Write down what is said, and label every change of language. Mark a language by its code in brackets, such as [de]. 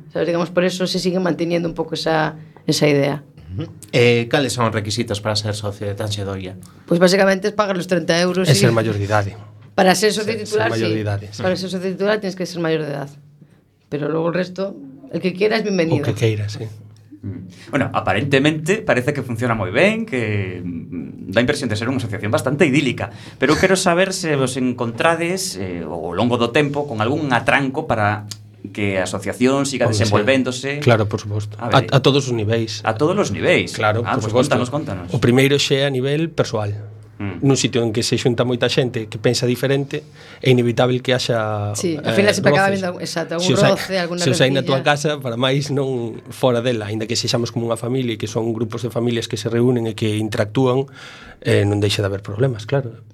[es] O sea, digamos, por eso se sigue manteniendo un poco esa idea. ¿Cuáles son los requisitos para ser socio de Tanxe Doia? Pues básicamente es pagar los 30 euros. Es ser mayor de edad. Para ser socio titular, sí. Para ser socio titular tienes que ser mayor de edad. Pero luego el resto... El que quiera es bienvenido. [gl] O que queira, sí. Bueno, aparentemente parece que funciona moi ben, que dá a impresión de ser unha asociación bastante idílica, pero quero saber se vos encontrades ao longo do tempo con algún atranco para que a asociación siga desenvolvéndose. Claro, por suposto. A todos os niveis. A todos os niveis. Claro, por suposto. Contanos. O primeiro xe a nivel persoal. Nun sitio en que se xunta moita xente que pensa diferente, é inevitável que haxa sí, al final sempre acaba vendo algún roce, alguna rendilla. Se os hai na tua casa, para máis non fora dela, aínda que sexamos como unha familia e que son grupos de familias que se reúnen e que interactúan, non deixa de haber problemas, claro.